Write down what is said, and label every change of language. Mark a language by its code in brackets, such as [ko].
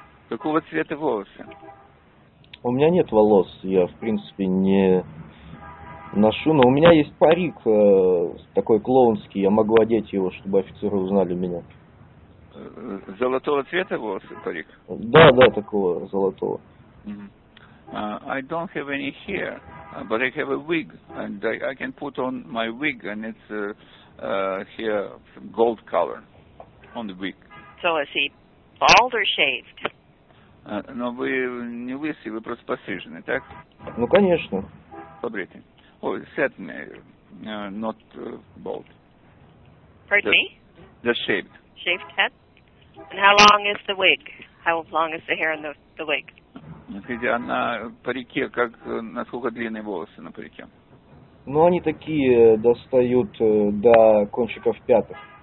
[ru] Какого цвета волосы? У меня нет волос, я, в принципе, не... ношу, но у меня есть парик такой клоунский, я могу одеть его, чтобы офицеры узнали меня. Золотого цвета волосы парик? Да, да, такого золотого. [en] I don't have any hair, but I have a wig, and I can put on my wig, and it's hair gold color on the wig. So is he bald or shaved? [ru] Но вы не лысый, вы просто пострижены, так? Ну, конечно. Побритый. [en] Oh, certainly, not bald. Pardon me? Just shaved. Shaved head? And how long is the wig? How long is the hair in the wig? [ru] Смотрите, а на парике, как, насколько длинные волосы на парике? Ну, они такие достают до кончиков пяток.